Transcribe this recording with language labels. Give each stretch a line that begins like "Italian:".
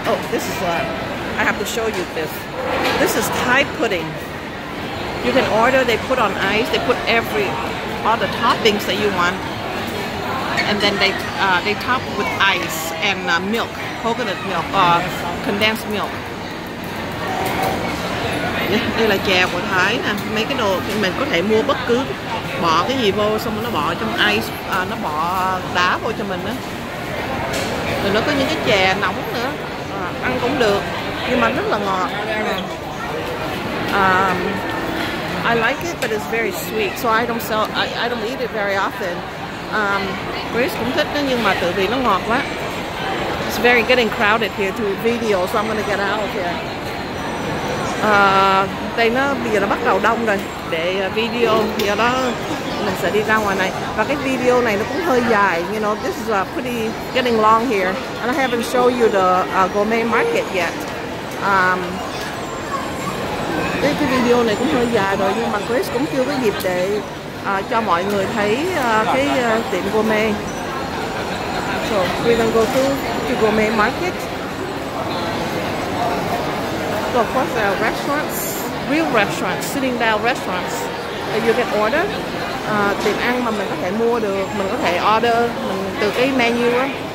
English: Oh, this is what I have to show you this. This is Thai pudding. You can order, they put on ice, they put all the toppings that you want. And then they top with ice and milk, coconut milk, condensed milk.
Vietnamese: Đây là chè của Thái nè, mấy cái đồ mình có thể mua bất cứ, bỏ cái gì vô xong rồi nó bỏ trong ice, à, nó bỏ đá vô cho mình á. Rồi nó có những cái chè nóng nữa, à, ăn cũng được, nhưng mà rất là ngọt.
English: I like it but it's very sweet, so I don't eat it very often.
Vietnamese: Grace cũng thích nó nhưng mà tự vì nó ngọt quá.
English: It's very getting crowded here to video, so I'm gonna get out here.
Vietnamese: Đây nó bây giờ nó bắt đầu đông rồi, để video giờ đó mình sẽ đi ra ngoài này, và cái video này nó cũng hơi dài,
English: you know, this is pretty getting long here, and I haven't show you the gourmet market yet.
Vietnamese: Cái video này cũng hơi dài rồi, nhưng mà Chris cũng chưa có dịp để cho mọi người thấy cái tiệm gourmet.
English: So we're gonna go to the gourmet market. So of course there are restaurants, real restaurants, sitting down restaurants that you can order.
Vietnamese: Tiệm ăn mà mình có thể mua được, mình có thể order từ cái menu á.